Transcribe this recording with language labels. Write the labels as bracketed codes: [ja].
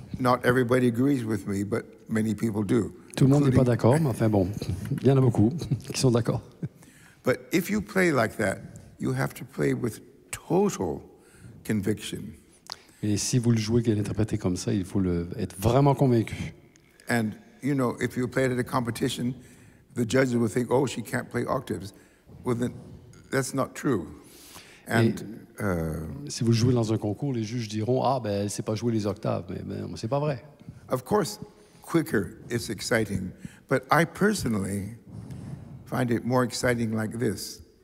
[en] Not everybody agrees with me, but many people do. [fr] Tout le monde n'est pas d'accord, mais enfin bon, il y en a beaucoup qui sont d'accord. [en] But if you play like that, you have to play with total conviction. [fr] Et si vous le jouez et l'interprétez comme ça, il faut être vraiment convaincu. [en] And you know, if you play it at a competition, the judges will think, oh, she can't play octaves. Well, then, that's not true. [fr] And, si vous jouez dans un concours, les juges diront ah ben elle sait pas jouer les octaves, mais ben c'est pas vrai. [en] Of course, quicker is exciting, but I personally find it more exciting like this.